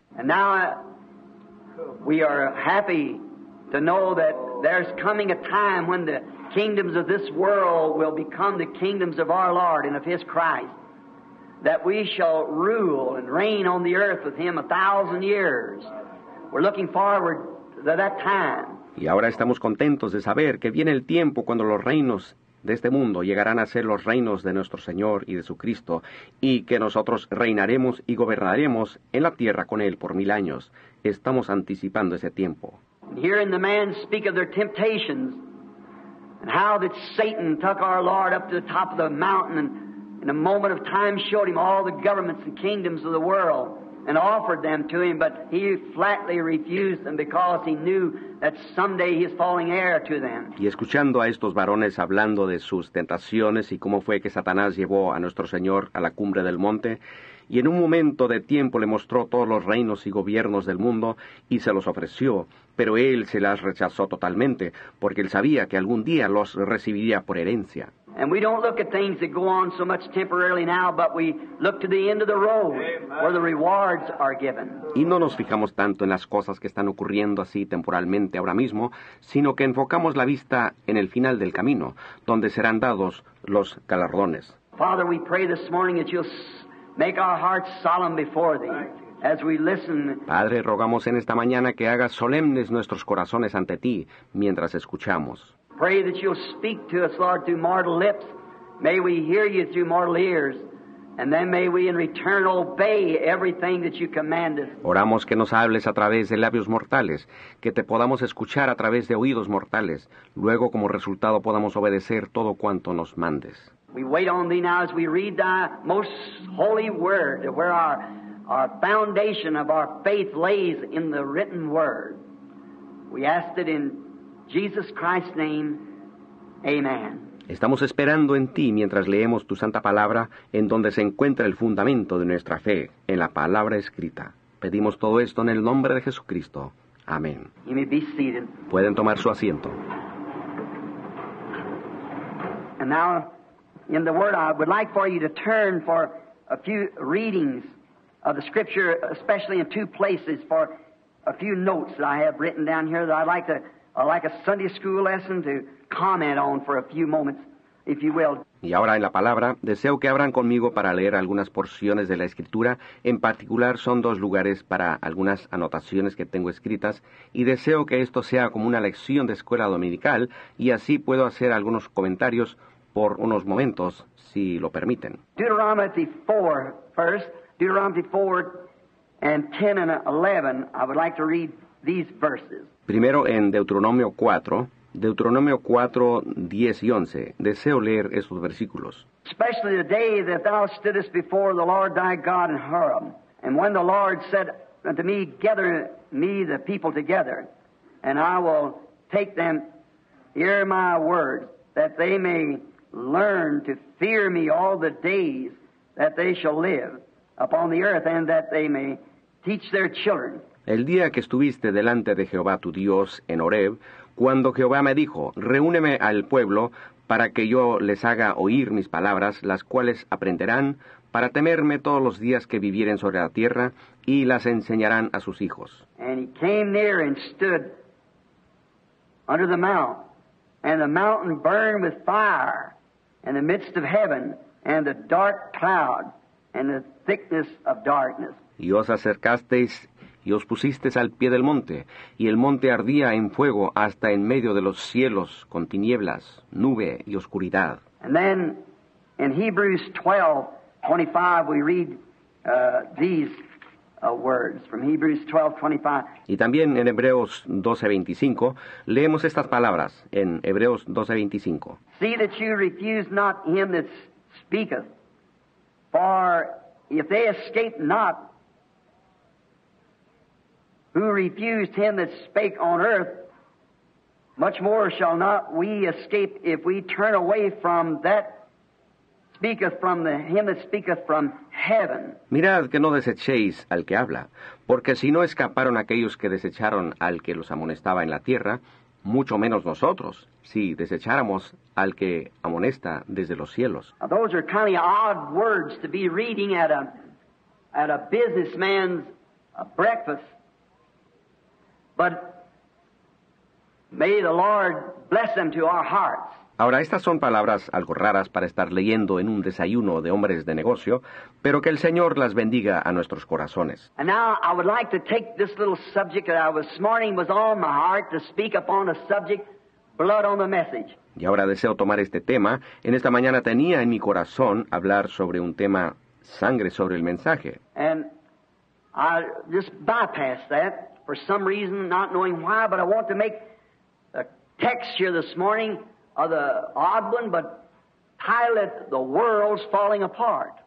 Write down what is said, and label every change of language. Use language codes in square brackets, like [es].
[en] And now we are happy to know that there's coming a time when the kingdoms of this world will become the kingdoms of our Lord and of His Christ, that we shall rule and reign on the earth with Him 1,000 years. We're looking forward to that time. [es] Y ahora estamos contentos de saber que viene el tiempo cuando los reinos de este mundo llegarán a ser los reinos de nuestro Señor y de su Cristo, y que nosotros reinaremos y gobernaremos en la tierra con Él por 1,000 años. Estamos anticipando ese tiempo. [en] Hearing the men speak of their temptations, and how that Satan took our Lord up to the top of the mountain, and in a moment of time showed Him all the governments and kingdoms of the world, and offered them to Him, but He flatly refused them because He knew that someday He is falling heir to them. [es] Y escuchando a estos varones hablando de sus tentaciones y cómo fue que Satanás llevó a nuestro Señor a la cumbre del monte, y en un momento de tiempo le mostró todos los reinos y gobiernos del mundo y se los ofreció, pero él se las rechazó totalmente porque él sabía que algún día los recibiría por herencia. [en] And we don't look at things that go on so much temporarily now, but we look to the end of the road, where the rewards are given. [es] Y no nos fijamos tanto en las cosas que están ocurriendo así temporalmente ahora mismo, sino que enfocamos la vista en el final del camino, donde serán dados los galardones. [en] Father, we pray this morning that you'll make our hearts solemn before thee. As we listen, [es] Padre, rogamos en esta mañana que hagas solemnes nuestros corazones ante ti mientras escuchamos. [en] Pray that you'll speak to us, Lord, through mortal lips. May we hear you through mortal ears. And then may we in return obey everything that you command us. [es] Oramos que nos hables a través de labios mortales, que te podamos escuchar a través de oídos mortales. Luego, como resultado, podamos obedecer todo cuanto nos mandes. [en] We wait on thee now as we read thy most holy word, where our foundation of our faith lays in the written word. We ask it in Jesus Christ's name, amen. [es] Estamos esperando en ti mientras leemos tu santa palabra, en donde se encuentra el fundamento de nuestra fe, en la palabra escrita. Pedimos todo esto en el nombre de Jesucristo. Amén. [en] You may be seated. [es] Pueden tomar su asiento. [en] And now, in the word, I would like for you to turn for a few readings of the scripture, especially in two places, for a few notes that I have written down here that I'd like to like a Sunday school lesson to comment on for a few moments, if you will. [es] Y ahora en la palabra, deseo que abran conmigo para leer algunas porciones de la Escritura. En particular, son dos lugares para algunas anotaciones que tengo escritas, y deseo que esto sea como una lección de escuela dominical, y así puedo hacer algunos comentarios por unos momentos, si lo permiten. [en] Deuteronomy 4, first. Deuteronomy 4, and 10 and 11, I would like to read these verses. [es] Primero en Deuteronomio 4, 10 y 11. Deseo leer esos versículos. [en] Especially the day that thou stoodest before the Lord thy God in Horeb, and when the Lord said unto me, gather me the people together, and I will take them, hear my words, that they may learn to fear me all the days that they shall live upon the earth, and that they may teach their children. [es] El día que estuviste delante de Jehová tu Dios en Horeb, cuando Jehová me dijo, reúneme al pueblo para que yo les haga oír mis palabras, las cuales aprenderán para temerme todos los días que vivieren sobre la tierra y las enseñarán a sus hijos. [en] And he came near and stood under the mount, and the mountain burned with fire in the midst of heaven, and the dark cloud and the thickness of darkness. [es] Y os acercasteis y os pusisteis al pie del monte, y el monte ardía en fuego hasta en medio de los cielos, con tinieblas, nube y oscuridad. [en] And then, in Hebrews 12:25, we read these words from Hebrews 12:25. [es] Y también en Hebreos 12:25, leemos estas palabras en Hebreos 12:25. [en] See that you refuse not him that speaketh, for if they escape not, who refused him that spake on earth, much more shall not we escape if we turn away from that speaketh from the him that speaketh from heaven. [es] Mirad que no desechéis al que habla, porque si no escaparon aquellos que desecharon al que los amonestaba en la tierra, mucho menos nosotros, si desecháramos al que amonesta desde los cielos. [en] Now those are kind of odd words to be reading at a businessman's breakfast. But may the Lord bless them to our hearts. [es] Ahora, estas son palabras algo raras para estar leyendo en un desayuno de hombres de negocio, pero que el Señor las bendiga a nuestros corazones. [en] And now I would like to take this little subject that I was this morning was on my heart to speak upon a subject, blood on the message. [es] Y ahora deseo tomar este tema. En esta mañana tenía en mi corazón hablar sobre un tema, sangre sobre el mensaje. [en] And I just bypassed that. For some reason, not knowing why, but I want to make a text here this morning of the odd one, but title it, The World's Falling Apart.